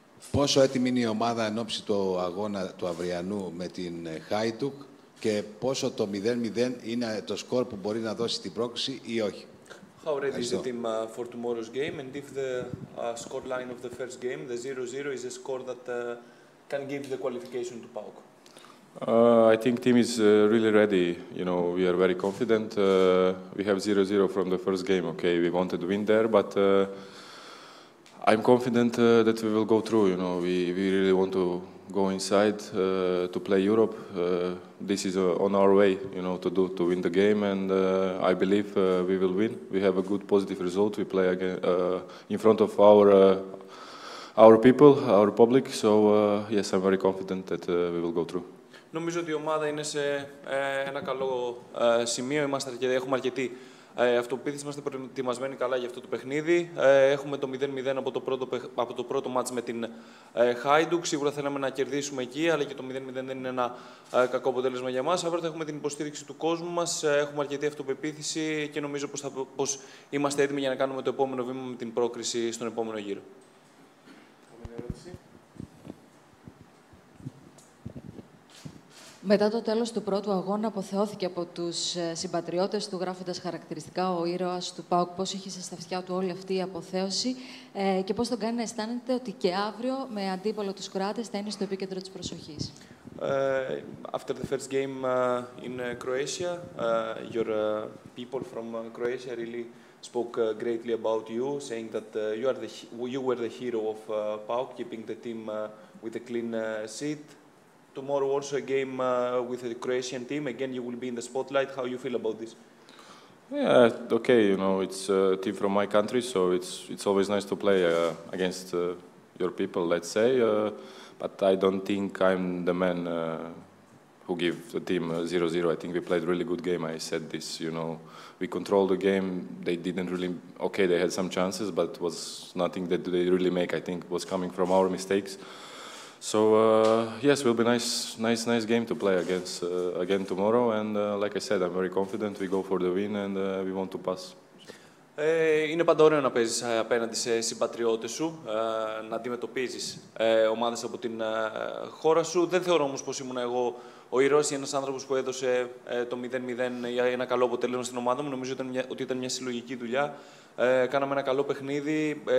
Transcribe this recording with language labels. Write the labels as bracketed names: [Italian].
[Greek] Πόσο έτοιμη είναι η ομάδα εν ώψη του αγώνα του αυριανού με την Χάιντουκ και πόσο το 0-0 είναι το σκορ που μπορεί να δώσει την πρόκριση ή όχι. [English] How ready is the team for tomorrow's game, and if the score line of the first game, the 0-0, is a score that can give the qualification to PAOK? I think team is really ready. You know, we are very confident. We have 0-0 from the first game. Okay, we wanted to win there, but I'm confident that we will go through. You know, we really want to go inside to play Europe. This is on our way, you know, to win the game, and I believe we will win. We have a good positive result. We play again in front of our people, our public. So yes, I'm very confident that we will go through. [Greek] Νομίζω ότι η ομάδα είναι σε ένα καλό σημείο. Έχουμε αρκετή αυτοποίθηση, είμαστε προετοιμασμένοι καλά για αυτό το παιχνίδι. Έχουμε το 0-0 από το πρώτο μάτς με την Χάιντουκ. Σίγουρα θέλαμε να κερδίσουμε εκεί, αλλά και το 0-0 δεν είναι ένα κακό αποτέλεσμα για μας. Αύριο θα έχουμε την υποστήριξη του κόσμου μας. Έχουμε αρκετή αυτοπεποίθηση και νομίζω πως είμαστε έτοιμοι για να κάνουμε το επόμενο βήμα με την πρόκριση στον επόμενο γύρο. Μετά το τέλος του πρώτου αγώνα, αποθεώθηκε από τους συμπατριώτες του, γράφοντας χαρακτηριστικά ο ήρωας του ΠΑΟΚ. Πώς είχε στα αυτιά του όλη αυτή η αποθέωση και πώς τον κάνει να αισθάνεται ότι και αύριο, με αντίπολο τους Κροάτες, θα είναι στο επίκεντρο της προσοχής. [English] After the first game in Croatia, your people from Croatia really spoke greatly about you, saying that you were the hero of ΠΑΟΚ, keeping the team with a clean seat. Tomorrow also a game with the Croatian team. Again, you will be in the spotlight. How you feel about this? Yeah, okay. You know, it's a team from my country, so it's always nice to play against your people, let's say. But I don't think I'm the man who give the team 0-0. I think we played a really good game. I said this, you know. We controlled the game. They didn't really... Okay, they had some chances, but it was nothing that they really make. I think it was coming from our mistakes. So yes, it will be nice game to play against again tomorrow. And like I said, I'm very confident we go for the win and we want to pass. [Greek] Είναι πάντα ωραίο να παίζεις απέναντι σε συμπατριώτες σου, να αντιμετωπίζεις ομάδες από την χώρα σου. Δεν θεωρώ όμως πως ήμουν εγώ ο ήρωας ή ένας άνθρωπος που έδωσε το 0-0 για ένα καλό αποτέλεσμα στην ομάδα μου. Νομίζω ότι ήταν μια συλλογική δουλειά. Κάναμε ένα καλό παιχνίδι.